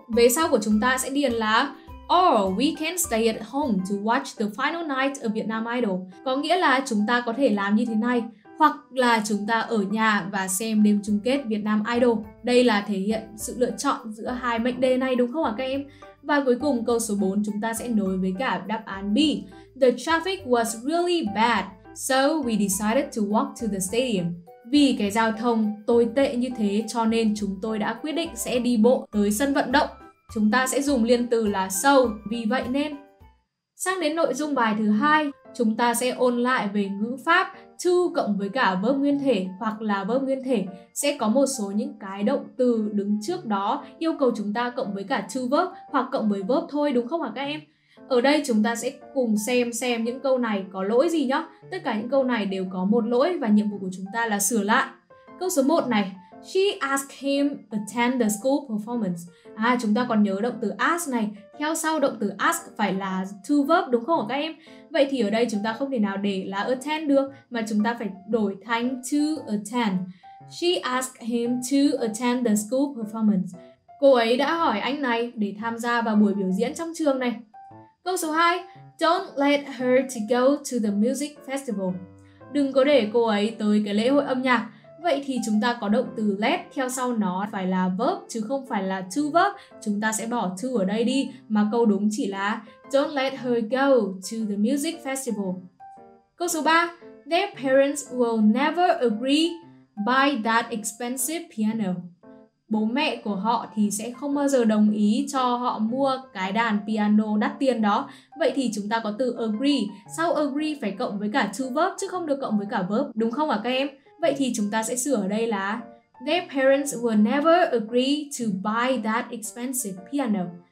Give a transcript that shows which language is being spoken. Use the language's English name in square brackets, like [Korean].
[English] Về sau của chúng ta sẽ điền là or we can stay at home to watch the final night of Vietnam Idol. [Vietnamese] Có nghĩa là chúng ta có thể làm như thế này, hoặc là chúng ta ở nhà và xem đêm chung kết Vietnam Idol. Đây là thể hiện sự lựa chọn giữa hai mệnh đề này, đúng không ạ các em? Và cuối cùng câu số 4 chúng ta sẽ nối với cả đáp án B. [English] The traffic was really bad, so we decided to walk to the stadium. [Vietnamese] Vì cái giao thông tồi tệ như thế cho nên chúng tôi đã quyết định sẽ đi bộ tới sân vận động. Chúng ta sẽ dùng liên từ là so, vì vậy nên. Sang đến nội dung bài thứ 2, chúng ta sẽ ôn lại về ngữ pháp to cộng với cả verb nguyên thể hoặc là verb nguyên thể. Sẽ có một số những cái động từ đứng trước đó yêu cầu chúng ta cộng với cả to verb hoặc cộng với verb thôi, đúng không hả các em? Ở đây chúng ta sẽ cùng xem những câu này có lỗi gì nhá. Tất cả những câu này đều có một lỗi và nhiệm vụ của chúng ta là sửa lại. [English] Câu số 1 này, she asked him to attend the school performance. [Vietnamese] À, chúng ta còn nhớ động từ ask này, theo sau động từ ask phải là to verb, đúng không hả các em? Vậy thì ở đây chúng ta không thể nào để là attend được, mà chúng ta phải đổi thành to attend. [English] She asked him to attend the school performance. [Vietnamese] Cô ấy đã hỏi anh này để tham gia vào buổi biểu diễn trong trường này. [English] Câu số 2, don't let her to go to the music festival. [Vietnamese] Đừng có để cô ấy tới cái lễ hội âm nhạc. Vậy thì chúng ta có động từ let theo sau nó phải là verb chứ không phải là to verb. Chúng ta sẽ bỏ to ở đây đi, mà câu đúng chỉ là don't let her go to the music festival. [English] Câu số 3, their parents will never agree buy that expensive piano. [Vietnamese] Bố mẹ của họ thì sẽ không bao giờ đồng ý cho họ mua cái đàn piano đắt tiền đó. Vậy thì chúng ta có từ agree. Sau agree phải cộng với cả to verb chứ không được cộng với cả verb, đúng không ạ các em? Vậy thì chúng ta sẽ sửa ở đây là their parents will never agree to buy that expensive piano.